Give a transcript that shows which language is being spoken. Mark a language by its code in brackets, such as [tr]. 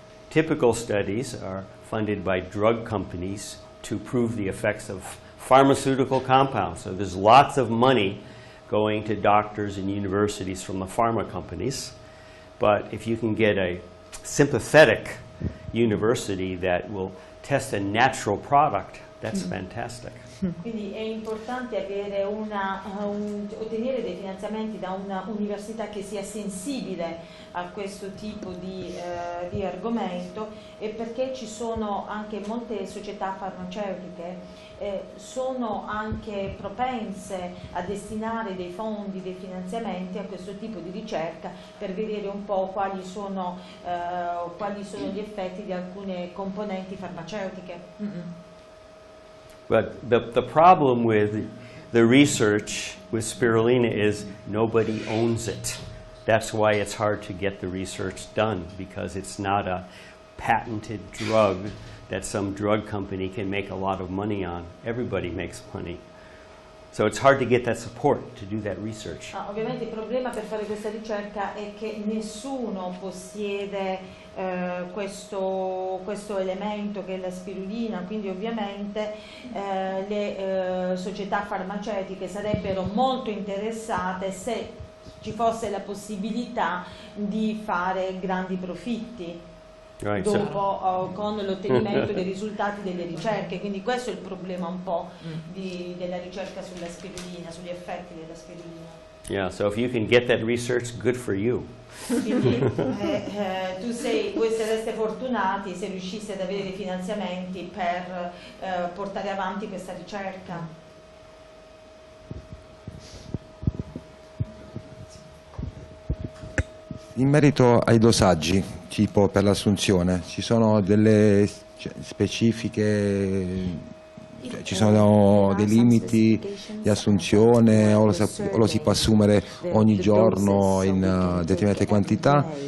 [en] Typical studies are funded by drug companies to prove the effects of pharmaceutical compounds. So there's lots of money going to doctors and universities from the pharma companies. But if you can get a sympathetic university that will test a natural product, that's fantastic. [it] Quindi è importante avere ottenere dei finanziamenti da un'università che sia sensibile a questo tipo di argomento, e perché ci sono anche molte società farmaceutiche, sono anche propense a destinare dei fondi, dei finanziamenti a questo tipo di ricerca per vedere un po' quali sono gli effetti di alcune componenti farmaceutiche. [en] But the problem with the research with spirulina is nobody owns it. That's why it's hard to get the research done, because it's not a patented drug that some drug company can make a lot of money on. Everybody makes money. So it's hard to get that support to do that research. [it] Ovviamente il problema per fare questa ricerca è che nessuno possiede questo elemento che è la spirulina, quindi ovviamente le società farmaceutiche sarebbero molto interessate se ci fosse la possibilità di fare grandi profitti. [en] Right, [it] dopo con l'ottenimento dei risultati delle ricerche, quindi questo è il problema un po' della ricerca sulla spirulina, sugli effetti della spirulina. [en] Yeah, so if you can get that research, good for you. [it] Tu sareste fortunati se riuscissi ad avere dei finanziamenti per portare avanti questa ricerca. In merito ai dosaggi, tipo per l'assunzione, ci sono delle specifiche, cioè, ci sono dei limiti di assunzione, o lo si può assumere ogni giorno in determinate quantità?